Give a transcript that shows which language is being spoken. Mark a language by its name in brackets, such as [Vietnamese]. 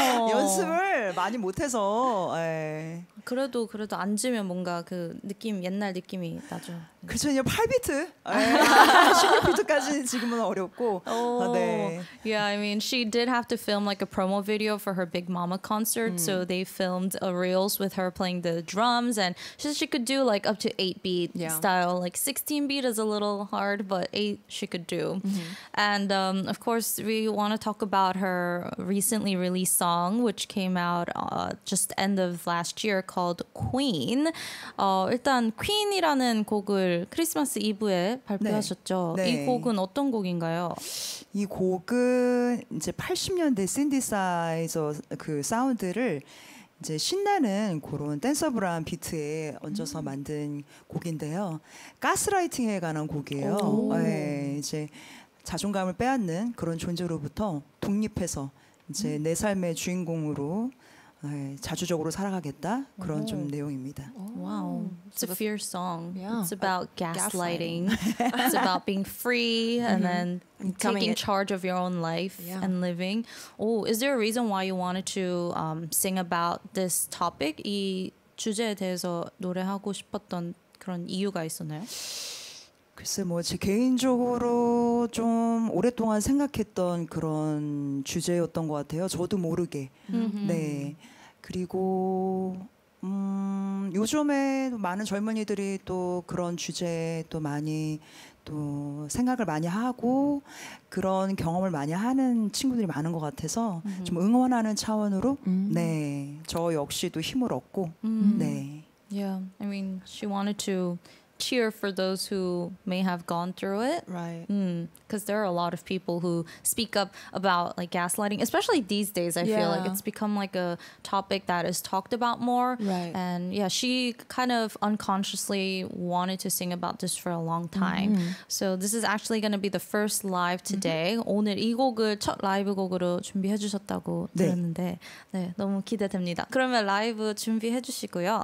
[Korean] 연습을 많이 못해서 그래도 앉으면 뭔가 그 느낌 옛날 느낌이 나죠. 그렇죠. 8비트 16비트까지는 지금은 어렵고 네. [English] Yeah, I mean she did have to film like a promo video for her Big Mama concert. So they filmed a reels with her playing the drums and she could do like up to 8-beat yeah. style. Like 16-beat is a little hard but 8 she could do. And of course we want to talk about her recently released song which came out just end of last year called Queen. [Korean] 일단 Queen이라는 곡을 크리스마스 이브에 발표하셨죠. 네. 네. 이 곡은 어떤 곡인가요? 이 곡은 이제 80년대 신디사이저 그 사운드를 이제 신나는 그런 댄서블한 비트에 얹어서 만든 곡인데요. 가스라이팅에 관한 곡이에요. 네, 이제 자존감을 빼앗는 그런 존재로부터 독립해서 이제 내 삶의 주인공으로 자주적으로 살아가겠다 그런 좀 내용입니다. [English] Wow, it's a fierce song. Yeah. It's about gaslighting. It's about being free and then taking charge of your own life and living. Oh, is there a reason why you wanted to sing about this topic? [Korean] 이 주제에 대해서 노래하고 싶었던 그런 이유가 있었나요? 글쎄 뭐 제 개인적으로 좀 오랫동안 생각했던 그런 주제였던 것 같아요. 저도 모르게. 네. 그리고 요즘에 많은 젊은이들이 또 그런 주제에 또 많이 또 생각을 많이 하고 그런 경험을 많이 하는 친구들이 많은 것 같아서 좀 응원하는 차원으로 네. 저 역시도 힘을 얻고 네. [English] Yeah. I mean she wanted to cheer for those who may have gone through it. Right. Because there are a lot of people who speak up about like gaslighting, especially these days, I feel like it's become like a topic that is talked about more. Right. And yeah, she kind of unconsciously wanted to sing about this for a long time. Mm-hmm. So this is actually going to be the first live today. Mm-hmm. [Korean] 오늘 이 곡을 첫 라이브 곡으로 준비해 주셨다고 네. 들었는데 네, 너무 기대됩니다. 그러면 라이브 준비해 주시고요.